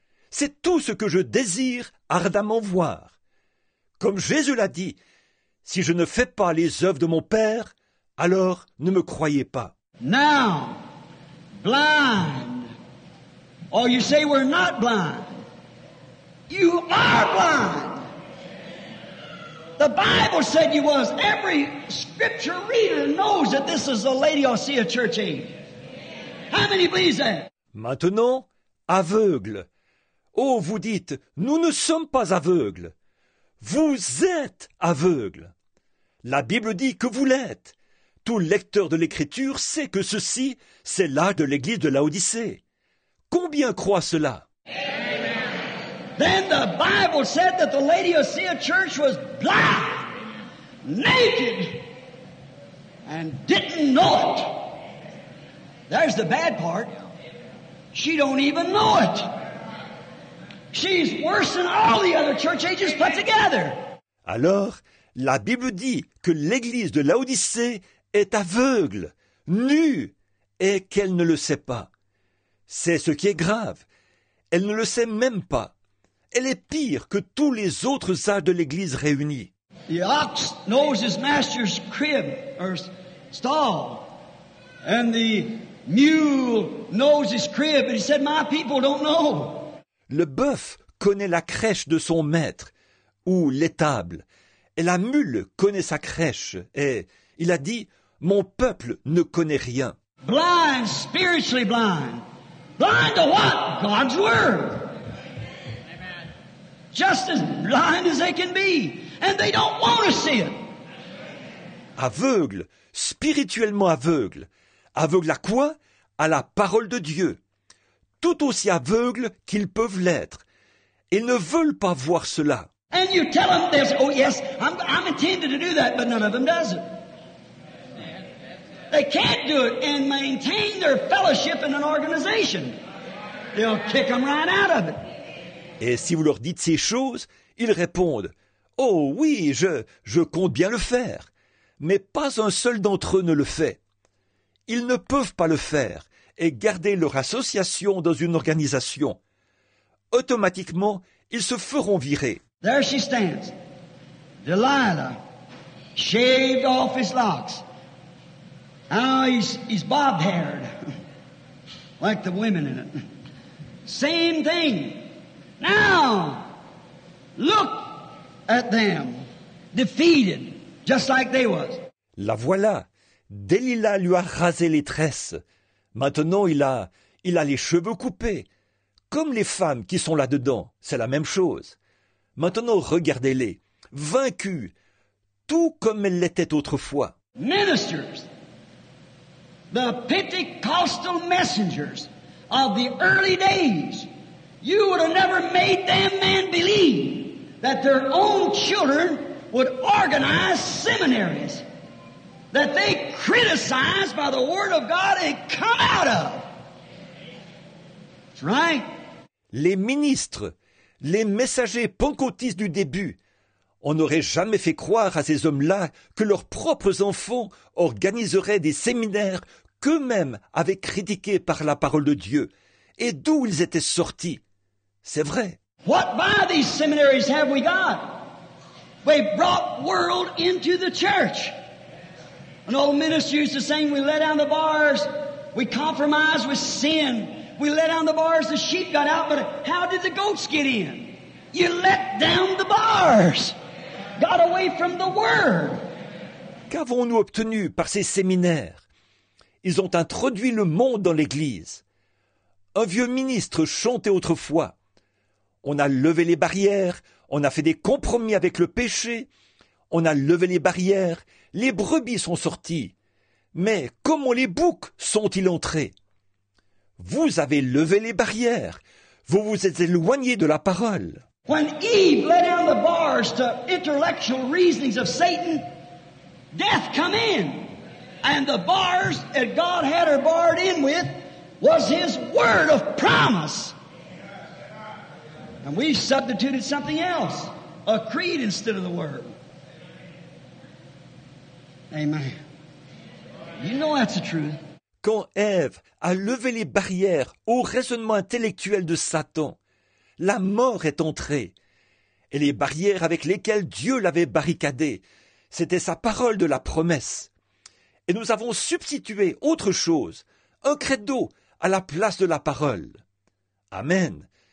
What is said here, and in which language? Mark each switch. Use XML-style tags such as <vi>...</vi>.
<fr>C'est tout ce que je désire ardemment voir. Comme Jésus l'a dit, si je ne fais pas les œuvres de mon Père, alors ne me croyez pas.</fr> <en>Now, blind. Or you say we're not blind. You are blind. The Bible said you was. Every scripture reader knows that this is the Laodicea church age. How many believe that?</en> <fr>Maintenant, aveugle. Oh, vous dites, nous ne sommes pas aveugles. Vous êtes aveugle. La Bible dit que vous l'êtes. Tout lecteur de l'Écriture sait que ceci, c'est l'âge de l'Église de Laodicée. Combien croient cela?</fr> <en>Then the Bible said that the Laodicea church was blind, naked, and didn't know it. There's the bad part. She don't even know it. She's worse than all the other church ages put together.</en> <fr>Alors, la Bible dit que l'église de Laodicée est aveugle, nue, et qu'elle ne le sait pas. C'est ce qui est grave. Elle ne le sait même pas. Elle est pire que tous les autres âges de l'Église réunis.</fr> <en>The ox knows his master's crib or stall, and the mule knows his crib, but he said, "My people don't know."</en> <fr>Le bœuf connaît la crèche de son maître ou l'étable, et la mule connaît sa crèche. Et il a dit, "Mon peuple ne connaît rien."</fr> <en>Blind, spiritually blind, blind to what? God's word. Just as blind as they can be, and they don't want to see it.</en> <fr>Aveugle, spirituellement aveugle. Aveugle à quoi? À la parole de Dieu. Tout aussi aveugle qu'ils peuvent l'être. Ils ne veulent pas voir cela.</fr> <en>And you tell them this, oh yes, I'm intended to do that, but none of them does it. They can't do it and maintain their fellowship in an organization. They'll kick them right out of it.</en> <fr>Et si vous leur dites ces choses, ils répondent, « Oh oui, je compte bien le faire. » Mais pas un seul d'entre eux ne le fait. Ils ne peuvent pas le faire et garder leur association dans une organisation. Automatiquement, ils se feront virer.</fr> <en>There she stands. Delilah shaved off his locks. Now he's bob-haired. Like the women in it. Same thing. Now, look at them, defeated, just like they was.</en> <fr>La voilà. Delilah lui a rasé les tresses. Maintenant, il a les cheveux coupés. Comme les femmes qui sont là-dedans, c'est la même chose. Maintenant, regardez-les. Vaincues, tout comme elles l'étaient autrefois.</fr> <en>Ministers, the Pentecostal messengers of the early days, you would have never made them men believe that their own children would organize seminaries that they criticized by the word of God and come out of. That's right.</en> <fr>Les ministres, les messagers pentecôtistes du début On n'aurait jamais fait croire à ces hommes-là que leurs propres enfants organiseraient des séminaires qu'eux-mêmes avaient critiqués par la parole de Dieu et d'où ils étaient sortis. C'est vrai.</fr> <en>What by these seminaries have we got? We brought world into the church. An old minister used to say, we let down the bars, we compromise with sin. We let down the bars, the sheep got out, but how did the goats get in? You let down the bars. Got away from the word.</en> <fr>Qu'avons-nous obtenu par ces séminaires? Ils ont introduit le monde dans l'église. Un vieux ministre chantait autrefois. On a levé les barrières, on a fait des compromis avec le péché, on a levé les barrières, les brebis sont sorties. Mais comment les boucs sont-ils entrés? Vous avez levé les barrières, vous vous êtes éloigné de la parole.</fr> <en>When Eve let down the bars to intellectual reasonings of Satan, death come in. And the bars that God had her barred in with was his word of promise. And we substituted something else, a creed instead of the word. Amen. You know that's the truth.</en> <fr>Quand Ève a levé les barrières au raisonnement intellectuel de Satan, la mort est entrée. Et les barrières avec lesquelles Dieu l'avait barricadée, c'était sa parole de la promesse. Et nous avons substitué autre chose, un credo, à la place de la parole. Amen.</fr>